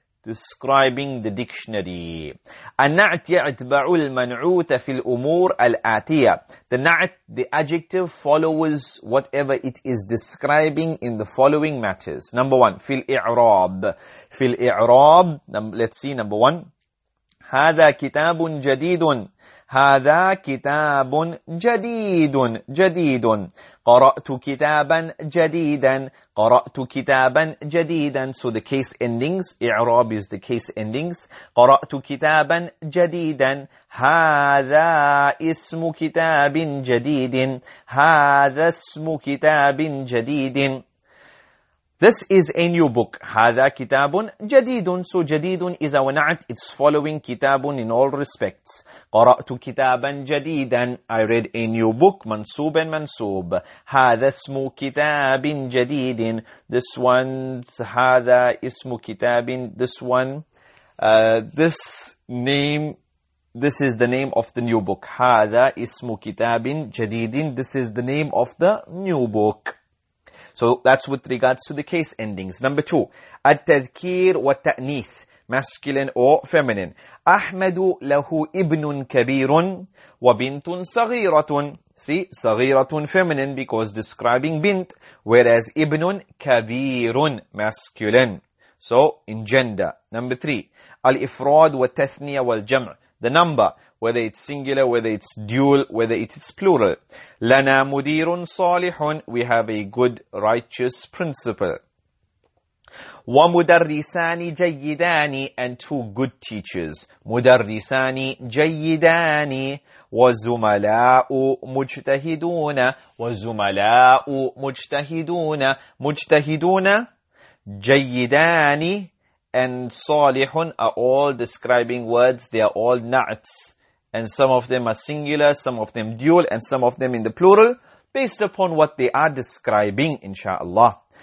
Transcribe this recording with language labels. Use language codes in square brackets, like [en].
[en] Describing the dictionary. [ar] النعت يتبع المنعوت في الأمور الآتية. [en] The نعت, the adjective, follows whatever it is describing in the following matters. Number one, [ar] في الإعراب. في الإعراب, [en] let's see number one. [ar] هذا كتاب جديد. هذا كتاب جديد. جديد. قرأت كتابا جديدا. قرأت كتابا جديدا. [en] So the case endings, إعراب is the case endings. [ar] قرأت كتابا جديدا. هذا اسم كتاب جديد. هذا اسم كتاب جديد. [en] This is a new book. [ar] هذا كتاب جديد. [en] So جديد is our نعت. It's following كتاب in all respects. [ar] قرأت كتابا جديدا. [en] I read a new book. [ar] منصوب and منصوب. هذا اسم كتاب جديد. [en] This one's [ar] هذا اسم كتاب. [en] This one. This name. This is the name of the new book. [ar] هذا اسم كتاب جديد. [en] This is the name of the new book. So that's with regards to the case endings. Number two, [ar] التذكير والتأنيث, [en] masculine or feminine. [ar] أحمد له ابن كبير وبنت صغيرة. [en] See, صغيرة feminine because describing بنت, whereas ابن كبير masculine. So in gender. Number three, [ar] الإفراد والتثنية والجمع, [en] the number, whether it's singular, whether it's dual, whether it's plural. [ar] لنا مدير صالح, [en] we have a good righteous principal. [ar] ومدرسان جيدان, [en] and two good teachers. [ar] مدرسان جيدان وزملاء مجتهدون. وزملاء مجتهدون. [en] مجتهدون, جيدان and صالح are all describing words. They are all نعتس. And some of them are singular, some of them dual, and some of them in the plural, based upon what they are describing, inshallah.